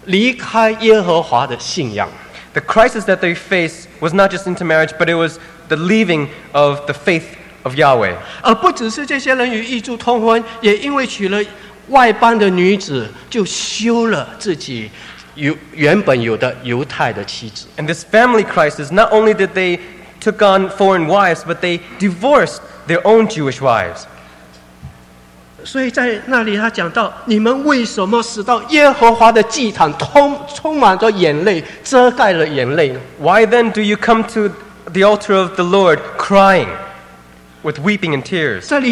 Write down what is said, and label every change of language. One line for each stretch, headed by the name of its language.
Chinese: 他们所面对的危机是这种异族通婚带进离开耶和华的信仰。
English: The crisis that they faced was not just intermarriage, but it was the leaving of the faith of Yahweh.
Chinese: 而不只是这些人与异族通婚，也因为娶了外邦的女子，就休了自己原本有的犹太的妻子。
English: And this family crisis, not only did they took on foreign wives, but they divorced their own Jewish wives.
Chinese: 所以在那里他讲到，你们为什么死到耶和华的祭坛，充满着眼泪，遮盖了眼泪呢？
English: Why then do you come to the altar of the Lord crying with weeping and tears?